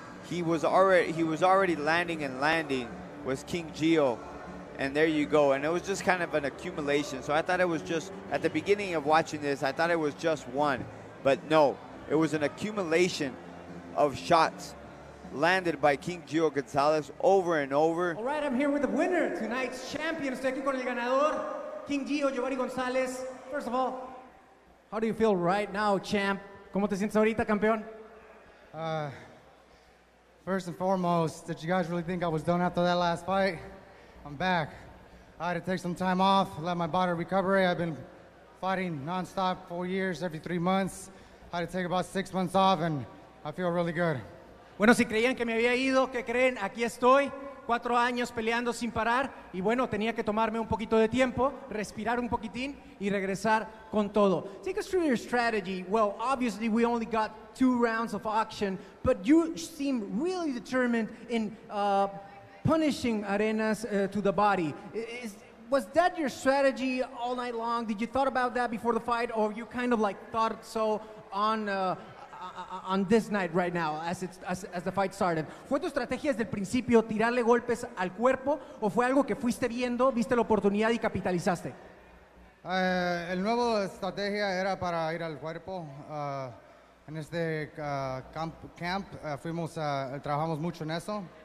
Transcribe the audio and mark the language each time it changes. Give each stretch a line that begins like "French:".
English: He was already landing, was King Gio. And there you go. And it was just kind of an accumulation. So I thought it was just, at the beginning of watching this, I thought it was just one. But no, it was an accumulation of shots landed by King Gio Gonzalez over and over. All right, I'm here with the winner, tonight's champion.
Spanish: Estoy aquí con el ganador, King Gio Giovannie Gonzalez.
English: First of all, how do you feel right now, champ?
Spanish: ¿Cómo te sientes ahorita, campeón?
English: First and foremost, did you guys really think I was done after that last fight? I'm back. I had to take some time off, let my body recover. I've been fighting nonstop 4 years, every 3 months. I had to take about 6 months off, and I feel really good.
Spanish: Bueno, si creían que me había ido, ¿qué creen? Aquí estoy, 4 años peleando sin parar. Y bueno, tenía que tomarme un poquito de tiempo, respirar un poquitín, y regresar con todo.
English: Take us through your strategy. Well, obviously, we only got 2 rounds of action, but you seem really determined in punishing Arenas to the body. Was that your strategy all night long? Did you thought about that before the fight, or you kind of like thought so on this night right now as the fight started?
Spanish: ¿Fue tu estrategia desde el principio tirarle golpes al cuerpo, o fue algo que fuiste viendo, viste la oportunidad y capitalizaste? El nuevo estrategia era para ir al cuerpo. En este camp fuimos trabajamos mucho en eso.